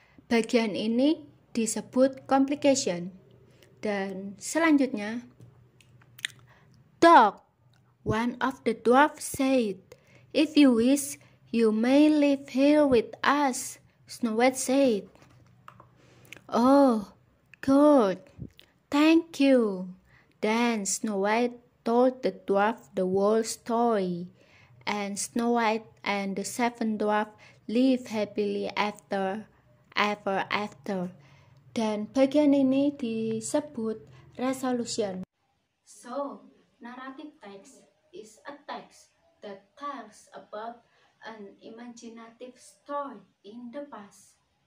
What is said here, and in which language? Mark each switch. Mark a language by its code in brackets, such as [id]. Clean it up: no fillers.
[id] Bagian ini disebut complication. Dan selanjutnya. Dog. [en] One of the dwarfs said, "If you wish, you may live here with us." Snow White said, "Oh, good, thank you." Then Snow White told the dwarf the whole story, and Snow White and the seven dwarfs lived happily ever after. [id] Dan bagian ini disebut resolution. [en] So, narrative text is a text that tells about an imaginative story in the past.